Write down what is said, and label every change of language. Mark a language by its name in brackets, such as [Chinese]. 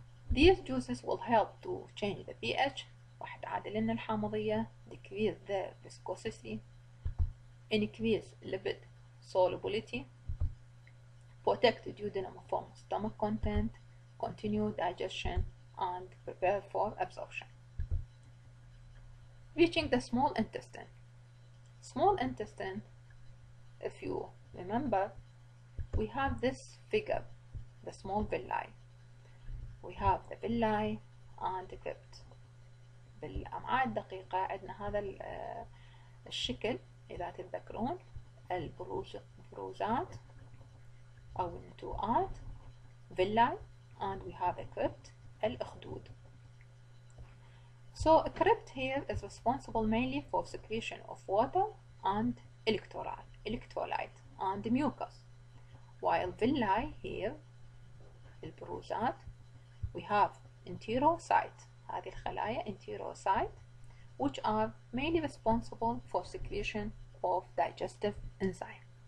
[English] These juices will help to change the pH, [Arabic] واحد عادل لنا الحامضية, [English] decrease the viscosity, increase lipid solubility, protect the duodenum from stomach content, continue digestion, and prepare for absorption. Reaching the small intestine. Small intestine, if you remember, we have this figure, the small villi. We have the villi and the crypt. [Arabic] بالأمعاء الدقيقة عندنا هذا الشكل إذا تتذكرون البروزات أو النتوءات [English] villi and we have the crypt [Arabic] الأخدود. [English] So a crypt here is responsible mainly for secretion of water and electrolyte and mucus. While villi here البروزات we have enterocyte, [Arabic] هذه الخلايا [English] enterocyte, which are mainly responsible for secretion of digestive enzyme.